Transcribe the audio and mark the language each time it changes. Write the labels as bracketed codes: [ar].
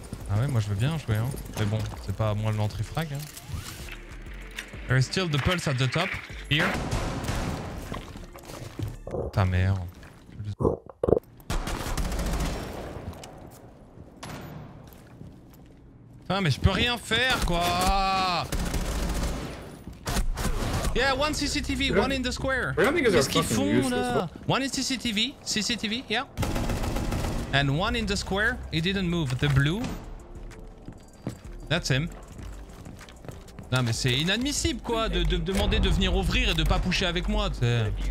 [fr] Ah ouais, moi je veux bien jouer, hein. Mais bon, c'est pas moi l'entrée frag, hein. [en] There is still the pulse at the top, here. [fr] Ta mère. Putain, mais je peux rien faire, quoi. [en] Yeah, one CCTV, yeah. One in the square. [fr] Qu'est-ce qu'ils font, là? [en] One in CCTV, CCTV, yeah. And one in the square, he didn't move. The blue. That's him. [fr] Non mais c'est inadmissible quoi de demander de venir ouvrir et de pas pusher avec moi, t'sais.